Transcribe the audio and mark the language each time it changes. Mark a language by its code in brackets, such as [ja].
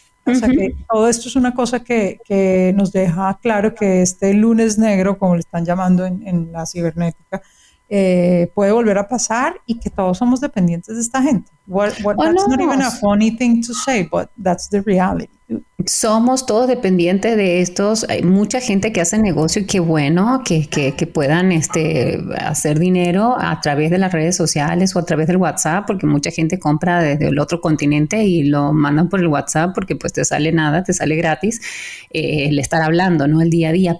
[es] O sea que todo esto es una cosa que nos deja claro que este lunes negro, como le están llamando en la cibernética, puede volver a pasar y que todos somos dependientes de esta gente. [en] Not even a funny thing to say, but that's the reality. [es] Somos todos dependientes de estos. Hay mucha gente que hace negocio y qué bueno que puedan hacer dinero a través de las redes sociales o a través del WhatsApp, porque mucha gente compra desde el otro continente y lo mandan por el WhatsApp porque pues te sale gratis el estar hablando, ¿no? El día a día.